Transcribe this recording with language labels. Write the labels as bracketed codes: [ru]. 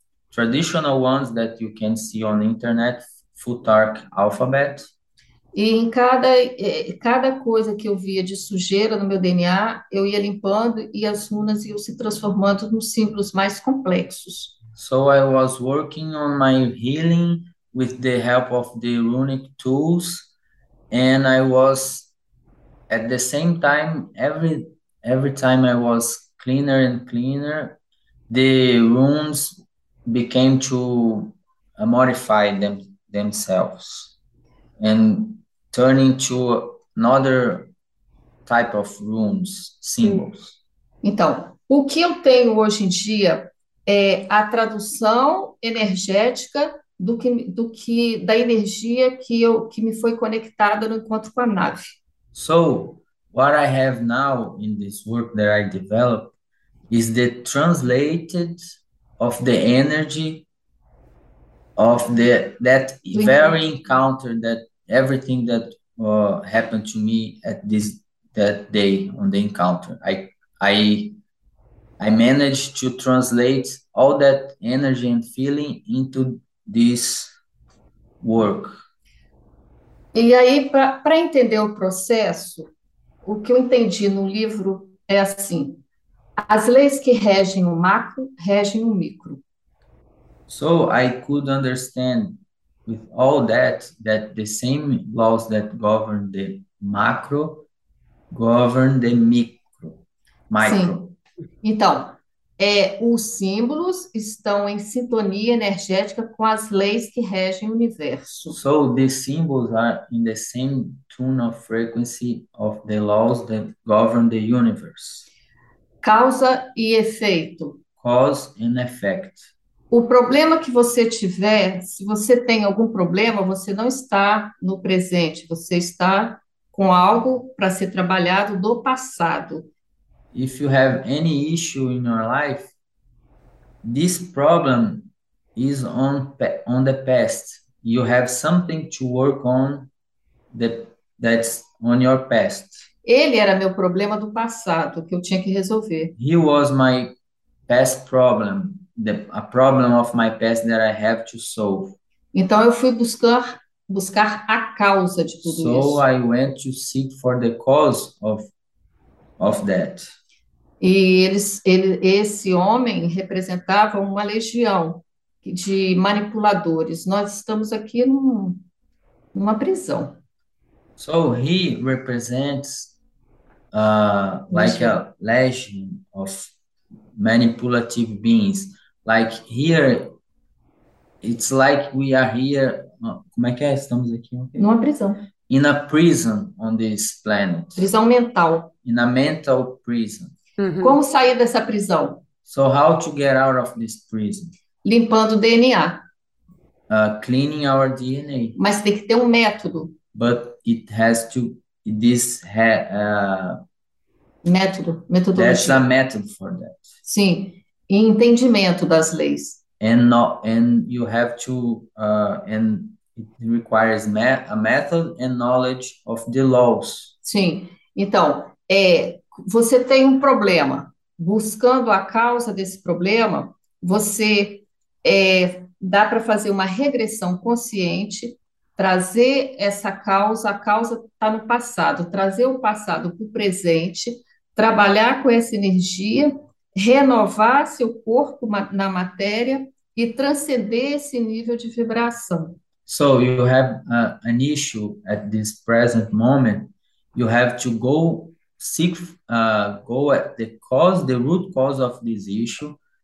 [en] Traditional ones that you can see on the internet, Futhark alphabet. [pt] E em cada coisa que eu via de sujeira no meu DNA, eu ia limpando e as runas iam se transformando nos símbolos mais complexos. [en] So I was working on my healing with the help of the runic tools, and I was at the same time, every time I was cleaner and cleaner, the runes became to modify themselves and turning to another type of runes, symbols. [pt] Então, o que eu tenho hoje em dia é a tradução energética da energia que me foi conectada no encontro com a nave. [en] So, what I have now in this work that I developed is the translated of the energy of that [pt] Do encontro. [en] very encounter, that everything that happened to me at this that day on the encounter. I managed to translate all that energy and feeling into this work. [pt] E aí, para entender o processo, o que eu entendi no livro é assim: as leis que regem o macro regem o micro. [en] So I could understand with all that the same laws that govern the macro govern the [pt] Sim. [en] micro. [pt] Então, os símbolos estão em sintonia energética com as leis que regem o universo. [en] So the symbols are in the same tune of frequency of the laws that govern the universe. [pt] Causa e efeito. [en] Cause and effect. [pt] O problema que você tiver, se você tem algum problema, você não está no presente, você está com algo para ser trabalhado do passado. [en] If you have any issue in your life, this problem is on the past. You have something to work on that's on your past. [pt] Ele era meu problema do passado, que eu tinha que resolver. [en] He was my past problem, a problem of my past that I have to solve. [pt] Então, eu fui buscar buscar a causa de tudo [en] So [pt] isso. [en] I went to seek for the cause of that. [pt] E esse homem representava uma legião de manipuladores. Nós estamos aqui numa prisão. [en] So he represents like [pt] Legião. [en] a legion of manipulative beings. Like here, it's like we are here. [pt] Como é que é? Estamos aqui, ok? Numa prisão. [en] In a prison on this planet. [pt] Prisão mental. [en] In a mental prison. [pt] Como sair dessa prisão? [en] So how to get out of this prison? [pt] Limpando o DNA. [en] Cleaning our DNA. [pt] Mas tem que ter um método. [en] But it has to, this ha, [pt] Método, [en] there's a method for that. [pt] Sim, e entendimento das leis. [en] And you have to, and it requires a method and knowledge of the laws. [pt] Sim, então, você tem um problema. Buscando a causa desse problema, você dá para fazer uma regressão consciente, trazer essa causa. A causa está no passado, trazer o passado para o presente, trabalhar com essa energia, renovar seu corpo na matéria e transcender esse nível de vibração. [en] So you have an issue at this present moment. You have to go seek, go at the cause, the root cause of this issue.